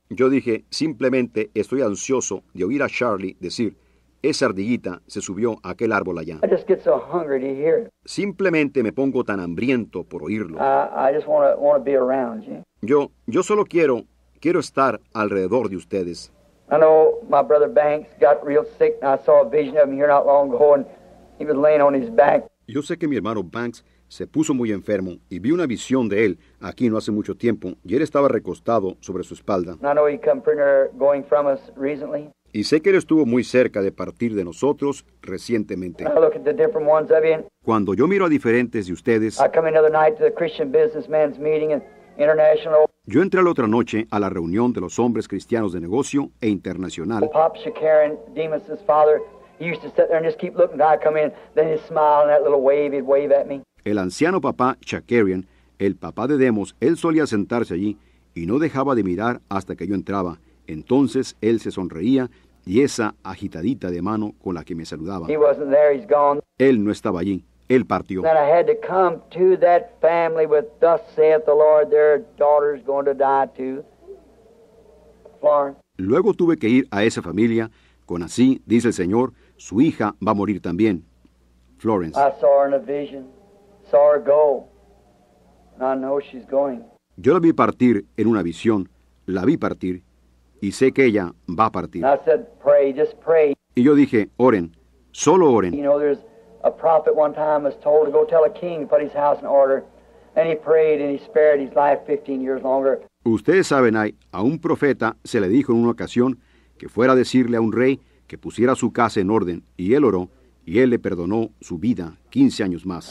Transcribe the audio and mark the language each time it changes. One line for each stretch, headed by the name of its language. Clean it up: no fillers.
Spanish: Yo dije, simplemente estoy ansioso de oír a Charlie decir, esa ardillita se subió a aquel árbol allá.
English: I just get so hungry to hear it.
Spanish: Simplemente me pongo tan hambriento por oírlo.
English: I just want to be around you.
Spanish: Yo solo quiero estar alrededor de ustedes.
English: I know my brother Banks got real sick and I saw a vision of him here not long ago and he was laying on his back.
Spanish: Yo sé que mi hermano Banks se puso muy enfermo y vi una visión de él aquí no hace mucho tiempo y él estaba recostado sobre su espalda.
English: I know he come pretty near going from us recently.
Spanish: Y sé que él estuvo muy cerca de partir de nosotros recientemente.
English: When I look at the different ones of you,
Spanish: cuando yo miro a diferentes de ustedes,
English: I come in the other night to the Christian businessmen's meeting and international.
Spanish: Yo entré la otra noche a la reunión de los hombres cristianos de negocio e internacional.
English: Pop Shakarin, Demas's father, he used to sit there and just keep looking. I come in, then he'd smile and that little wave, he'd wave at me.
Spanish: El anciano papá Shakarin, el papá de Demos, él solía sentarse allí y no dejaba de mirar hasta que yo entraba. Entonces él se sonreía y esa agitadita de mano con la que me saludaba.
English: He wasn't there, he's gone.
Spanish: Él no estaba allí. Él partió.
English: Then I had to come to that family with, thus saith the Lord, their daughter's going to die too. Florence.
Spanish: Luego tuve que ir a esa familia con, así dice el Señor, su hija va a morir también. Florence.
English: I saw her in a vision, saw her go, and I know she's going.
Spanish: Yo la vi partir en una visión, la vi partir, y sé que ella va a partir.
English: And I said, pray, just pray.
Spanish: Y yo dije, oren, solo oren.
English: You know, there's a prophet one time was told to go tell a king to put his house in order, and he prayed and he spared his life 15 years longer.
Spanish: Ustedes saben, hay a un profeta se le dijo en una ocasión que fuera a decirle a un rey que pusiera su casa en orden, y él oró y él le perdonó su vida 15 años más.